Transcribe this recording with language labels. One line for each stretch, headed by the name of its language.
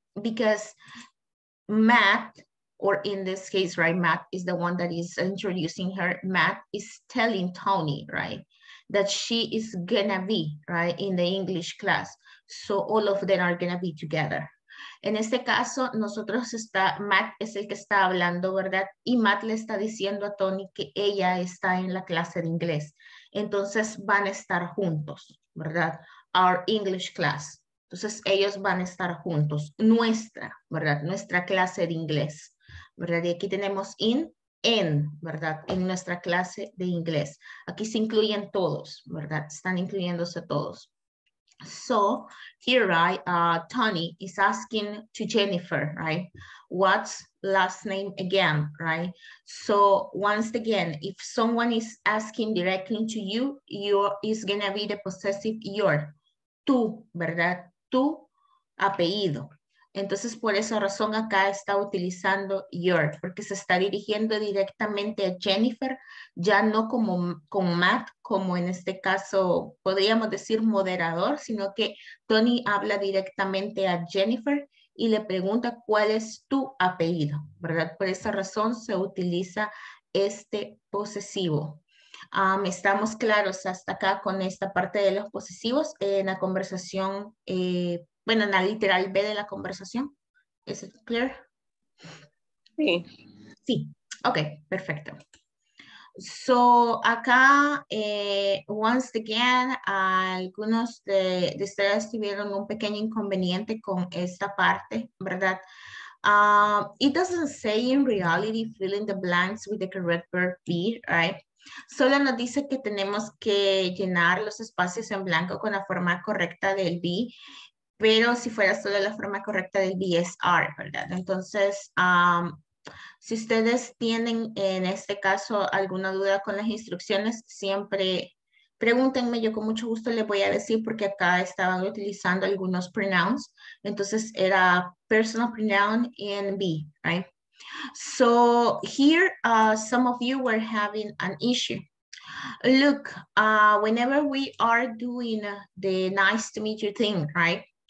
English: Because Matt, or in this case, right, Matt is the one that is introducing her. Matt is telling Tony, right, that she is gonna be, right, in the English class. So all of them are gonna be together.
Spanish: En este caso, nosotros está, Matt es el que está hablando, ¿verdad? Y Matt le está diciendo a Tony que ella está en la clase de inglés. Entonces van a estar juntos, ¿verdad?
English: Our English class.
Spanish: Entonces ellos van a estar juntos. Nuestra, ¿verdad? Nuestra clase de inglés, ¿verdad? Y aquí tenemos in, en, ¿verdad? En nuestra clase de inglés. Aquí se incluyen todos, ¿verdad? Están incluyéndose todos.
English: So, here, right, Tony is asking to Jennifer, right, what's last name again, right? So, once again, if someone is asking directly to you, your is going to be the possessive your, tu, ¿verdad?
Spanish: Tu apellido. Entonces, por esa razón acá está utilizando your, porque se está dirigiendo directamente a Jennifer, ya no como con Matt, como en este caso podríamos decir moderador, sino que Tony habla directamente a Jennifer y le pregunta cuál es tu apellido, ¿verdad? Por esa razón se utiliza este posesivo. Estamos claros hasta acá con esta parte de los posesivos en la conversación bueno, en la literal B de la conversación. ¿Es clear? Sí. Sí. Ok, perfecto. So, acá, once again, algunos de ustedes tuvieron un pequeño inconveniente con esta parte, ¿verdad?
English: It doesn't say in reality, fill in the blanks with the correct verb be, right?
Spanish: Solo nos dice que tenemos que llenar los espacios en blanco con la forma correcta del be. Pero si fuera solo la forma correcta del BSR, ¿verdad? Entonces, Si ustedes tienen en este caso alguna duda con las instrucciones, siempre pregúntenme, yo con mucho gusto les voy a decir, porque acá estaban utilizando algunos pronouns.
English: Entonces era personal pronoun and be, right? So here, some of you were having an issue. Look, whenever we are doing the nice to meet you thing, right?